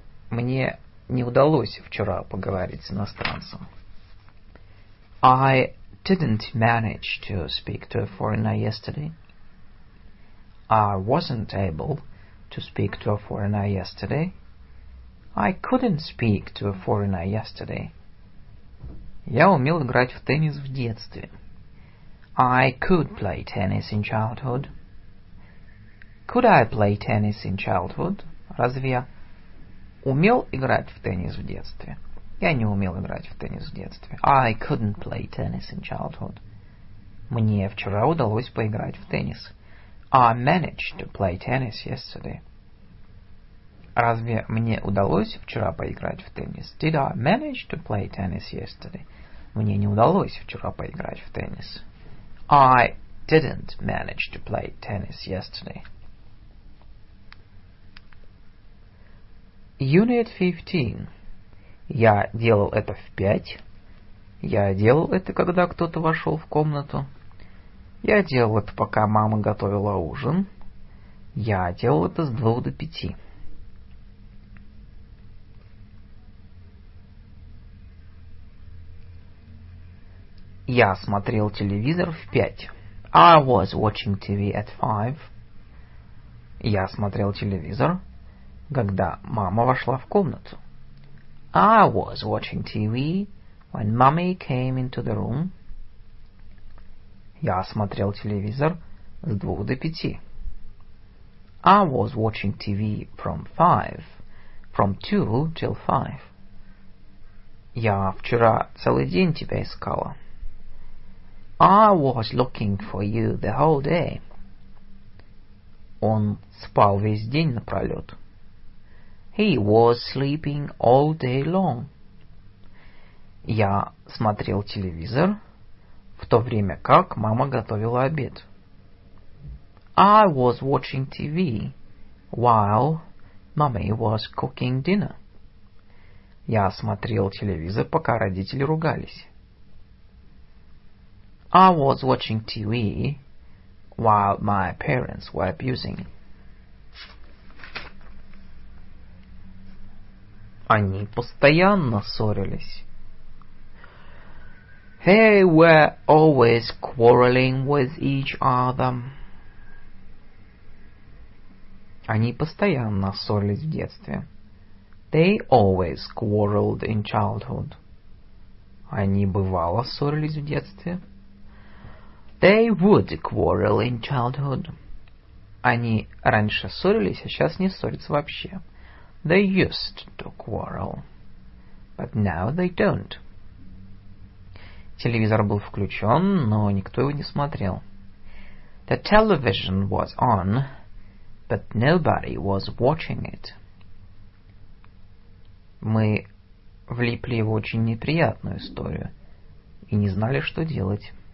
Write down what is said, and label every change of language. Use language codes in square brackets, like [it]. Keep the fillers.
[ru] Мне не удалось вчера поговорить с иностранцем. [en] I didn't manage to speak to a foreigner yesterday. I wasn't able to speak to a foreigner yesterday. I couldn't speak to a foreigner yesterday. [ru] Я умел играть в теннис в детстве. [en] I could play tennis in childhood. Could I play tennis in childhood? [ru] Разве я умел играть в теннис в детстве? Я не умел играть в теннис в детстве. [en] I couldn't play tennis in childhood. [ru] Мне вчера удалось поиграть в теннис. [en] I managed to play tennis yesterday. [ru] Разве мне удалось вчера поиграть в теннис? [en] Did I manage to play tennis yesterday? [ru] Мне не удалось вчера поиграть в теннис. [en] I didn't manage to play tennis yesterday. [ru] Unit 15. Я делал это в пять. Я делал это, когда кто-то вошел в комнату. Я делал это, пока мама готовила ужин. Я делал это с двух до пяти. Я смотрел телевизор в пять. [en] I was watching TV at five. [ru] Я смотрел телевизор, когда мама вошла в комнату. [en] I was watching TV when mommy came into the room. [ru] Я смотрел телевизор с двух до пяти. [en] I was watching TV from five, from two till five. [ru] Я вчера целый день тебя искала. [en] I was looking for you the whole day. [ru] Он спал весь день напролет. [en] He was sleeping all day long. [ru] Я смотрел телевизор в то время, как мама готовила обед. [en] I was watching TV while mommy was cooking dinner. [ru] Я смотрел телевизор, пока родители ругались. [en] I was watching TV while my parents were abusing. [ru] Они постоянно ссорились. [en] They were always quarreling with each other. [ru] Они постоянно ссорились в детстве. [en] They always quarreled in childhood. [ru] Они бывало ссорились в детстве. [en] They would quarrel in childhood. [ru] Они раньше ссорились, а сейчас не ссорятся вообще. [en] They used to quarrel, but now they don't. [ru] Телевизор был включен, но никто его не смотрел. [en] The television was on, but nobody was watching it. [ru] Мы влипли в очень неприятную историю и не знали, что делать.